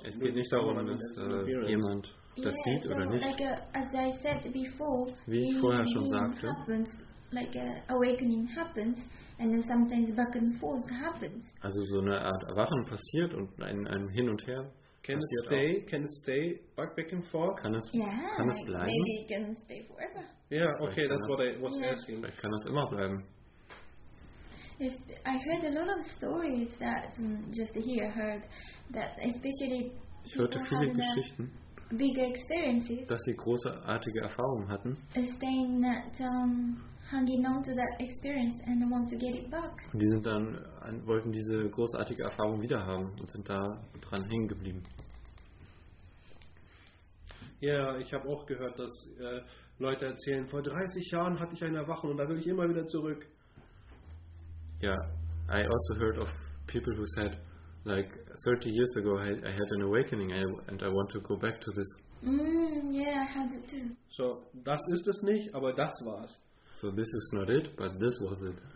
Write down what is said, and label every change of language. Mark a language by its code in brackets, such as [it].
[de] Es geht nicht darum, dass jemand das sieht so oder nicht. [en] Like as I said before, [de] wie ich vorher schon sagte, [en] happens, like awakening happens and then sometimes back and forth happens. [de] Also so eine Art Erwachen passiert und ein Hin und Her. [en] Can it stay back and forth? [de] Kann es bleiben? [en] Maybe it can stay forever. Yeah, okay, that's what I was asking. [de] Vielleicht kann es immer bleiben. [en] Yes, I heard a lot of stories that just here heard that especially [de] ich hörte viele Geschichten, [en] big experiences, [de] dass sie großartige Erfahrungen hatten. [en] Staying that, hanging on to that experience and want to get it back. [de] Die sind dann wollten diese großartige Erfahrung wieder haben und sind da dran hängen geblieben. Ja, yeah, ich habe auch gehört, dass Leute erzählen, vor 30 Jahren hatte ich eine Erwachung und da will ich immer wieder zurück. [en] Ja, yeah, I also heard of people who said like 30 years ago I had an awakening and I want to go back to this. Yeah, I had it too. [de] So, das ist es nicht, aber das war's. [en] So this is not it, but this was it.